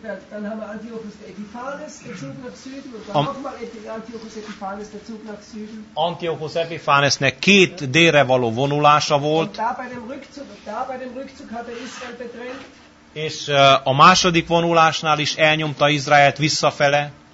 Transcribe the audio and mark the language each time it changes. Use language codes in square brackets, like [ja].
[de] Dann haben wir Antiochus Epiphanes, der Zug nach Süden, und dann nochmal Antiochus Epiphanes, der Zug nach Süden. [hu] Antiochus Epiphanesnek két délre való vonulása volt. [de] Und da bei dem Rückzug hat er Israel betrennt. [hu] És a második vonulásnál is elnyomta Izraelt visszafele.